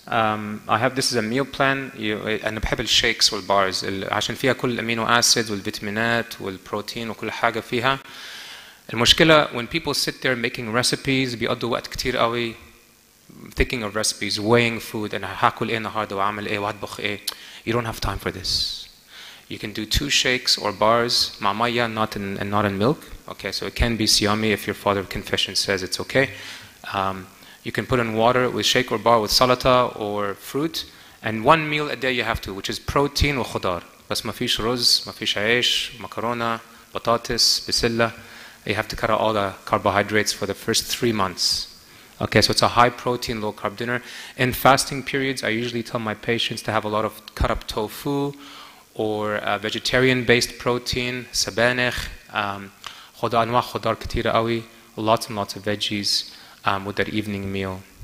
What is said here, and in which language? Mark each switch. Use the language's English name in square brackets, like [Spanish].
[English] I have this as a meal plan. And I have the shakes or bars, [Arabic] عشان فيها كل الأمينو أسيدز والفيتامينات والبروتين وكل حاجة فيها. المشكلة, [English] when people sit there making recipes, [Arabic] بيقضوا وقت كتير قوي, [English] thinking of recipes, weighing food, and [Arabic] هاكل إيه النهاردة وعمل إيه وأطبخ إيه. [English] You don't have time for this. You can do 2 shakes or bars, [Arabic] مع مية, [English] not in milk. Okay, so it can be siyami if your father of confession says it's okay. You can put in water with shake or bar with salata or fruit. And 1 meal a day you have to, which is protein and khudar. [Arabic] بس ما فيش رز, ما فيش عيش, مكرونة, بطاطس, بسلة. [English] You have to cut out all the carbohydrates for the first 3 months. Okay, so it's a high protein, low carb dinner. In fasting periods, I usually tell my patients to have a lot of cut up tofu or vegetarian-based protein, sabanech, [Arabic] أنواع خضار كتيرة قوي, [English] lots and lots of veggies with that evening meal.